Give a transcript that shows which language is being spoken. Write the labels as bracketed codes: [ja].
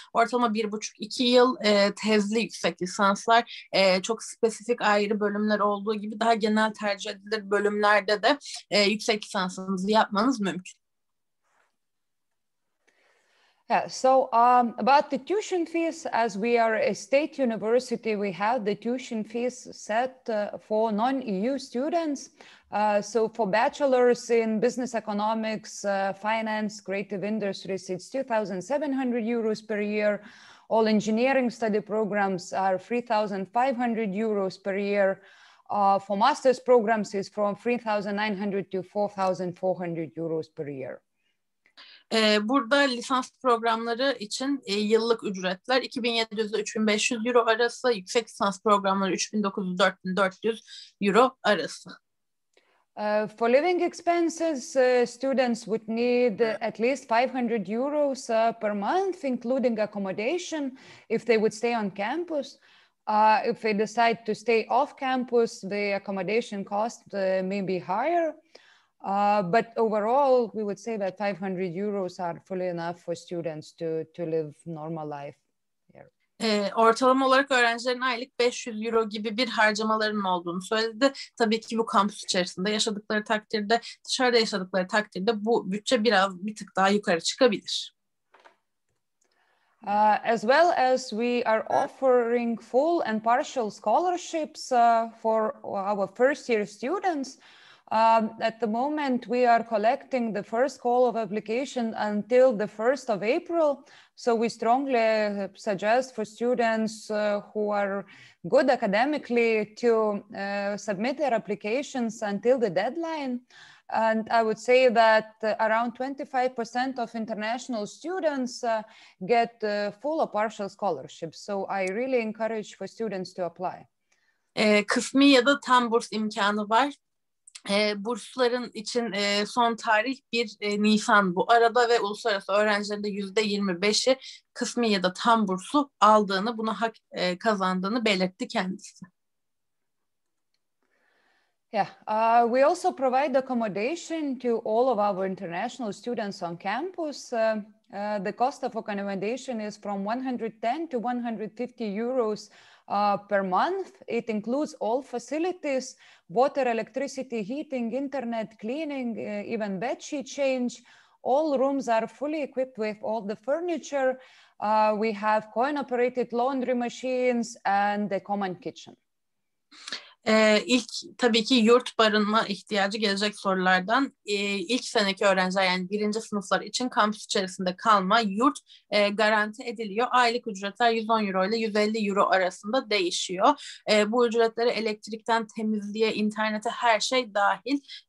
[tr] Ortalama 1,5-2 yıl tezli yüksek lisanslar, çok spesifik ayrı bölümler olduğu gibi daha genel tercih edilir bölümlerde de yüksek lisansınızı yapmanız mümkün. [en] Yeah, so about the tuition fees, as we are a state university, we have the tuition fees set for non-EU students. So for bachelor's in business economics, finance, creative industries, it's 2,700 euros per year. All engineering study programs are 3,500 euros per year. For master's programs, it's from 3,900 to 4,400 euros per year. [tr] Burada lisans programları için yıllık ücretler 2700 ile 3500 euro arası, yüksek lisans programları 3900-4400 euro arası. [en] For living expenses, students would need at least 500 euros per month, including accommodation, if they would stay on campus. If they decide to stay off campus, the accommodation cost may be higher. But overall, we would say that 500 euros are fully enough for students to live normal life here. [tr] Ortalama olarak öğrencilerin aylık 500 euro gibi bir harcamaların olduğunu söyledi. Tabii ki bu kampüs içerisinde yaşadıkları takdirde, dışarıda yaşadıkları takdirde bu bütçe biraz bir tık daha yukarı çıkabilir. [en] As well as we are offering full and partial scholarships for our first year students, at the moment we are collecting the first call of application until the 1st of April. So we strongly suggest for students who are good academically to submit their applications until the deadline. And I would say that around 25% of international students get full or partial scholarships. So I really encourage for students to apply. [tr] Kısmi ya da tam burs imkanı var. Bursların için son tarih 1 Nisan bu arada ve uluslararası öğrencilerin de %25'i kısmi ya da tam bursu aldığını, bunu hak kazandığını belirtti kendisi. [en] Yeah, we also provide accommodation to all of our international students on campus. The cost of accommodation is from 110 to 150 euros per month. It includes all facilities, water, electricity, heating, internet, cleaning, even bed sheet change. All rooms are fully equipped with all the furniture. We have coin-operated laundry machines and a common kitchen. [tr] İlk tabii ki yurt barınma ihtiyacı gelecek sorulardan. İlk seneki öğrenciler yani birinci sınıflar için kampüs içerisinde kalma yurt garanti ediliyor. Aylık ücretler 110 euro ile 150 euro arasında değişiyor. Bu ücretlere elektrikten temizliğe, internete her şey dahil.